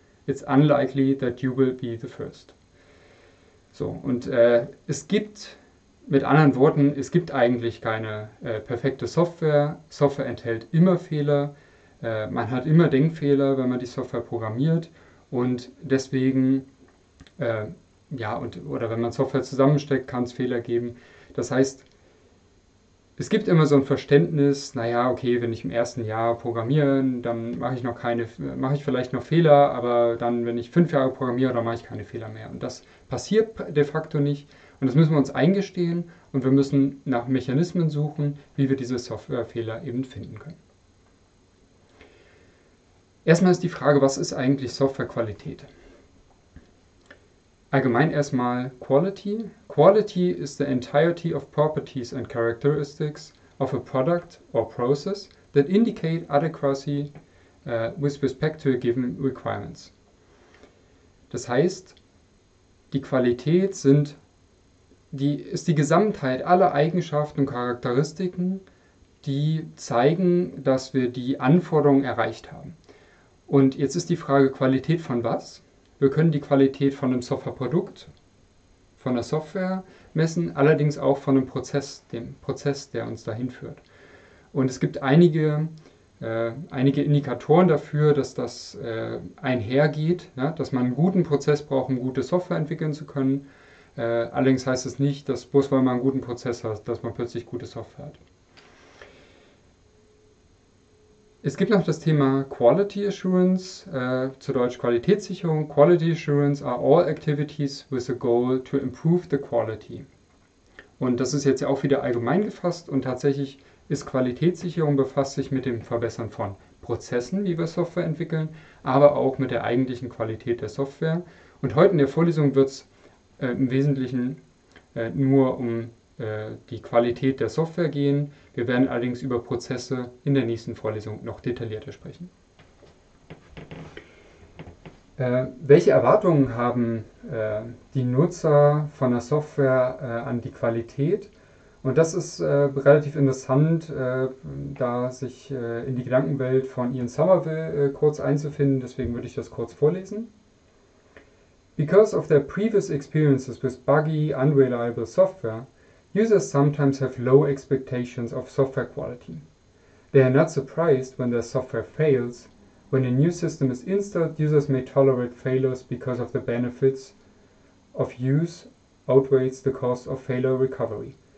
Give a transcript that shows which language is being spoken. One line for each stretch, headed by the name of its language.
English: It's unlikely that you will be the first.
German: So, und es gibt, mit anderen Worten, es gibt eigentlich keine perfekte Software. Software enthält immer Fehler. Man hat immer Denkfehler, wenn man die Software programmiert und deswegen, ja, oder wenn man Software zusammensteckt, kann es Fehler geben. Das heißt, es gibt immer so ein Verständnis, naja, okay, wenn ich im ersten Jahr programmiere, dann mache ich vielleicht noch Fehler, aber dann, wenn ich 5 Jahre programmiere, dann mache ich keine Fehler mehr. Und das passiert de facto nicht und das müssen wir uns eingestehen, und wir müssen nach Mechanismen suchen, wie wir diese Softwarefehler eben finden können. Erstmal ist die Frage, was ist eigentlich Softwarequalität? Allgemein erstmal Quality.
English: Quality is the entirety of properties and characteristics of a product or process that indicate adequacy with respect to a given requirements.
German: Das heißt, die Qualität ist die Gesamtheit aller Eigenschaften und Charakteristiken, die zeigen, dass wir die Anforderungen erreicht haben. Und jetzt ist die Frage, Qualität von was? Wir können die Qualität von einem Softwareprodukt, von der Software messen, allerdings auch von einem Prozess, dem Prozess, der uns dahin führt. Und es gibt einige Indikatoren dafür, dass das einhergeht, ja, dass man einen guten Prozess braucht, um gute Software entwickeln zu können. Allerdings heißt es nicht, dass bloß weil man einen guten Prozess hat, dass man plötzlich gute Software hat. Es gibt noch das Thema Quality Assurance, zu Deutsch Qualitätssicherung.
English: Quality Assurance are all activities with a goal to improve the quality.
German: Und das ist jetzt ja auch wieder allgemein gefasst und tatsächlich ist Qualitätssicherung befasst sich mit dem Verbessern von Prozessen, wie wir Software entwickeln, aber auch mit der eigentlichen Qualität der Software. Und heute in der Vorlesung wird es im Wesentlichen nur um die Qualität der Software gehen. Wir werden allerdings über Prozesse in der nächsten Vorlesung noch detaillierter sprechen. Welche Erwartungen haben die Nutzer von der Software an die Qualität? Und das ist relativ interessant, da sich in die Gedankenwelt von Ian Somerville kurz einzufinden. Deswegen würde ich das kurz vorlesen.
English: Because of their previous experiences with buggy, unreliable software, users sometimes have low expectations of software quality. They are not surprised when their software fails. When a new system is installed, users may tolerate failures because of the benefits of use outweighs the cost of failure recovery.